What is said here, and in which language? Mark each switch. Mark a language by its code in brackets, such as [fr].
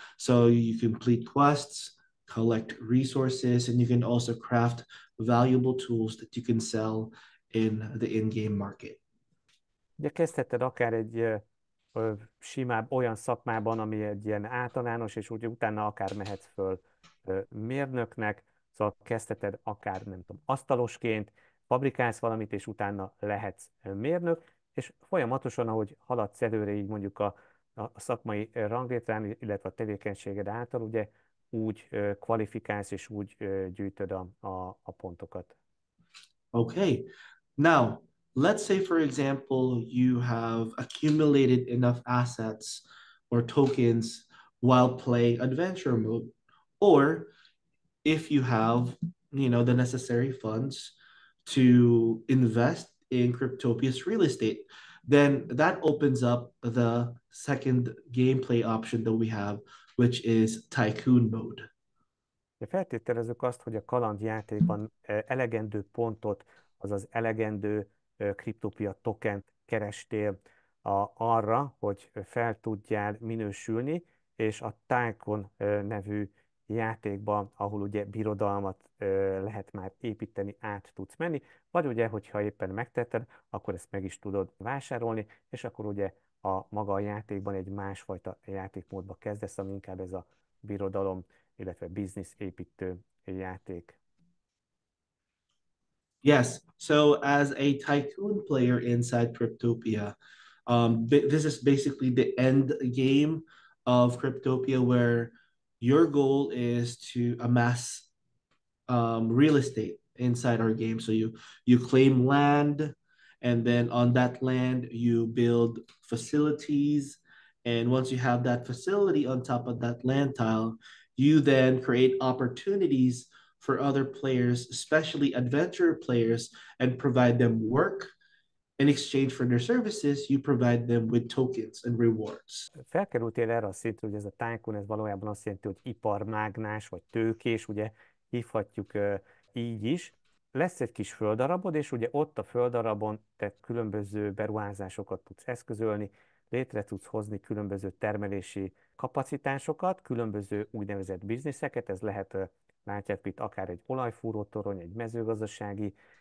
[en] So you complete quests, collect resources, and you can also craft valuable tools that you can sell in the in-game market. [hu] Ugye kezdheted akár egy simább olyan szakmában, ami egy ilyen általános, és úgy utána akár mehetsz föl mérnöknek, szóval kezdheted akár, nem tudom, asztalosként, fabrikálsz valamit, és utána lehetsz mérnök, és folyamatosan, ahogy haladsz előre, így mondjuk a szakmai ranglétrán, illetve a tevékenységed által, ugye úgy kvalifikálsz, és úgy gyűjtöd a pontokat. [en] Okay, now let's say, for example, you have accumulated enough assets or tokens while playing adventure mode, or if you have, you know, the necessary funds to invest in Cryptopia's real estate, then that opens up the second gameplay option that we have, which is tycoon mode. [hu] Feltételezzük azt, hogy a kalandjátékban elegendő pontot, azaz elegendő Cryptopia tokent kerestél arra, hogy fel tudjál minősülni, és a tájkon nevű játékban, ahol ugye birodalmat lehet már építeni, át tudsz menni, vagy ugye, hogyha éppen megtetted, akkor ezt meg is tudod vásárolni, és akkor ugye a maga a játékban egy másfajta játékmódba kezdesz, ami inkább ez a birodalom, illetve biznisz építő játék. [en] Yes, so as a tycoon player inside Cryptopia, this is basically the end game of Cryptopia, where your goal is to amass real estate inside our game. So you claim land, and then on that land you build facilities, and once you have that facility on top of that land tile, you then create opportunities for other players, especially adventure players, and provide them work. In exchange for their services, you provide them with tokens and rewards. [hu] Felkerültél erre a szintre, hogy ez a tycoon, ez valójában azt jelenti, hogy iparmágnás, vagy tőkés, ugye hívhatjuk így is. Lesz egy kis földarabod, és ugye ott a földarabon te különböző beruházásokat tudsz eszközölni, létre tudsz hozni különböző termelési kapacitásokat, különböző úgynevezett bizniszeket, ez lehet, látjátok itt, akár egy olajfúrótorony, egy mezőgazdasági